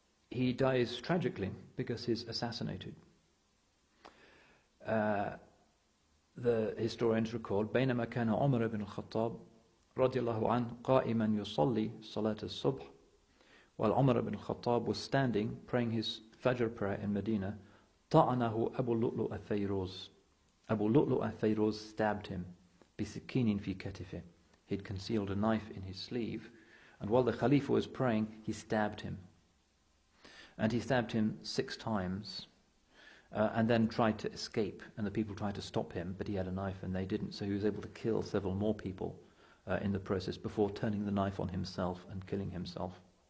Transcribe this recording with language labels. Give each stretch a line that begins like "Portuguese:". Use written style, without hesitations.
English: He dies tragically because he's assassinated. The historians record,
Arabic: بينما كان عمر بن الخطاب رضي الله عنه قائما يصلي صلاة الصبح,
English: while عمر بن الخطاب was standing praying his Fajr prayer in Medina,
Arabic: طعنه أبو اللؤلؤ الفيروز. أبو اللؤلؤ الفيروز
English: stabbed him
Arabic: بسكين في كتفه.
English: He'd concealed a knife in his sleeve, and while the Khalifa was praying, he stabbed him. And he stabbed him 6 times, and then tried to escape, and the people tried to stop him, but he had a knife and they didn't, so he was able to kill several more people in the process before turning the knife on himself and killing himself.